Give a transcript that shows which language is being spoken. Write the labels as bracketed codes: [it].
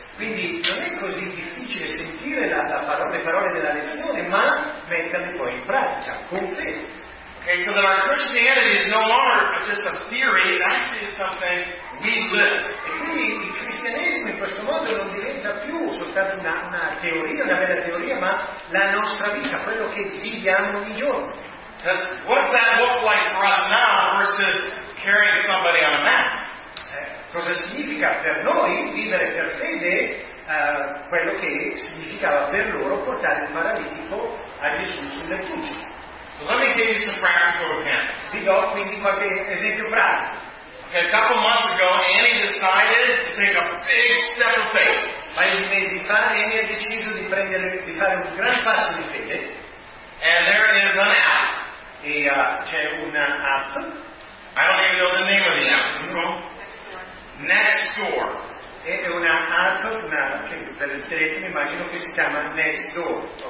[it] Quindi non è così difficile sentire le parole della lezione, ma metterle poi in pratica, con fede. [en] Okay, so that our Christianity is no longer just a theory, it actually is something we live. [it] E quindi il cristianesimo in questo modo non diventa più soltanto una teoria, una vera teoria, ma la nostra vita, quello che viviamo ogni giorno. [en] Because what's that look like for us now versus carrying somebody on a mat? [it] Cosa significa per noi vivere per fede quello che significava per loro portare il paralitico a Gesù sul lettuccio. [en] So let me give you some practical example. [it] Vi do quindi qualche esempio pratico. [en] Okay, a couple months ago Annie decided to take a big step of faith. [it] Pochi mesi fa Annie ha deciso di fare un gran passo di fede. [en] And there is an app. [it] E c'è una app. [en] I don't even know the name of the app. Nextdoor. [it] È una app che per il telefono immagino che si chiama Nextdoor.